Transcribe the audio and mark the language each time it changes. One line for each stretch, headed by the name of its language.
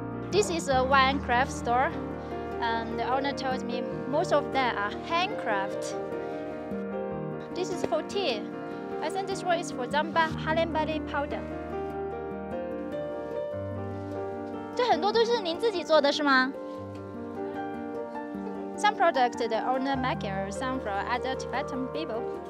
English: This is a wine craft store, and the owner told me most of them are handcraft. This is for tea. I think this one is for Zamba Halimbali powder.
Chinese: 这很多都是您自己做的是吗？
English: Some products the owner make, some from other Tibetan people.